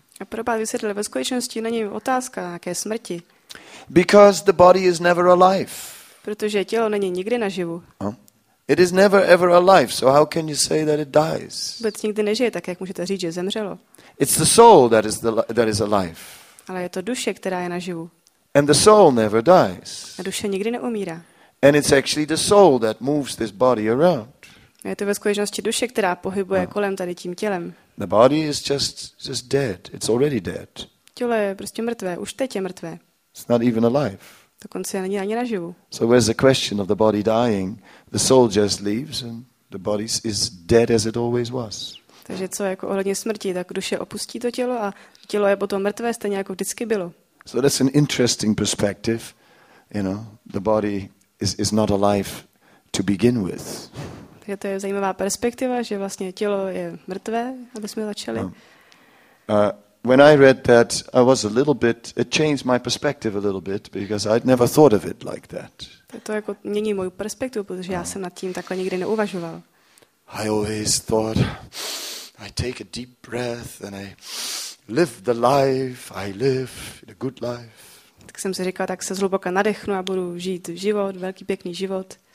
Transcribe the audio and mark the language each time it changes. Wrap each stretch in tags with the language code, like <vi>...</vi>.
<cs>A Prabhupada vysvětlil, ve skutečnosti není otázka nějaké smrti.</cs> <en>Because the body is never alive.</en> <cs>Protože tělo není nikdy naživu.</cs> <en>It is never ever alive, so how can you say that it dies?</en> <cs>Vůbec nikdy nežije, tak jak můžete říct, že zemřelo?</cs> <en>It's the soul that is alive.</en> <cs>Ale je to duše, která je naživu.</cs> <en>And the soul never dies.</en> <cs>A duše nikdy neumírá.</cs> <en>And it's actually the soul that moves this body around.</en> <cs>Je to ve skutečnosti duše, která pohybuje kolem tady tím tělem.</cs> <en>The body is just dead. It's already dead.</en> <cs>Tělo je prostě mrtvé, už teď je mrtvé.</cs> <en>It's not even alive.</en> <cs>Dokonce není ani naživu.</cs> <en>So where's the question of the body dying? The soul just leaves and the body is dead as it always was.</en> <cs>Takže co jako ohledně smrti, tak duše opustí to tělo a tělo je potom mrtvé stejně jako vždycky bylo.</cs> <en>So that's an interesting perspective, you know, the body is not alive to begin with.</en> <cs>Takže to je zajímavá perspektiva, že vlastně tělo je mrtvé, aby jsme začali.</cs> <en>When I read that, I was a little bit, it changed my perspective a little bit, because I'd never thought of it like that.</en> <cs>To jako mění moju perspektivu, protože já jsem nad tím takhle nikdy neuvažoval.</cs> <en>I always thought, I take a deep breath and I live the life, I live the good life.</en> <cs>Tak jsem si říkal, tak se zhluboka nadechnu a budu žít život, velký pěkný život.</cs>